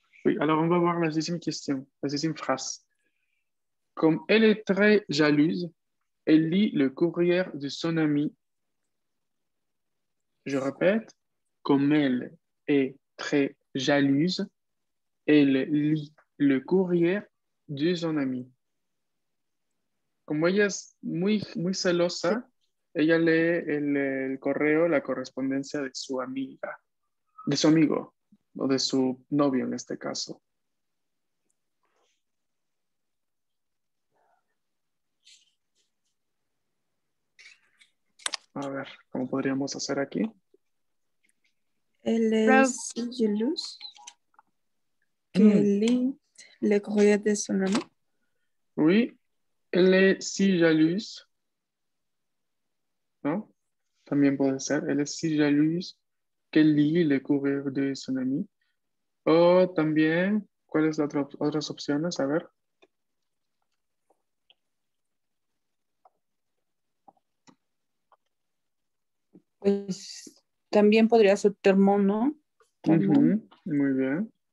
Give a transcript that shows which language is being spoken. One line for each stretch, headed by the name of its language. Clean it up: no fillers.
French: Oui, alors on va voir la sixième question, la sixième phrase. Comme elle est très jalouse, elle lit le courrier de son ami. Je répète, comme elle est très jalouse, elle lit le courrier de son ami.
Spanish: Como ella es muy, muy celosa, Ella lee el correo, la correspondencia de su amiga, de su amigo, o de su novio en este caso. A ver, ¿cómo podríamos hacer aquí?
French: Elle est jalouse que lit le courrier de son ami. Oui, elle est si jalouse. ¿No?
Spanish: También puede ser.
French: Elle est si jalouse que lit le courrier de son ami.
Spanish: O también, ¿cuáles son otras opciones? A ver. Pues también podría ser termo, ¿no? Muy bien.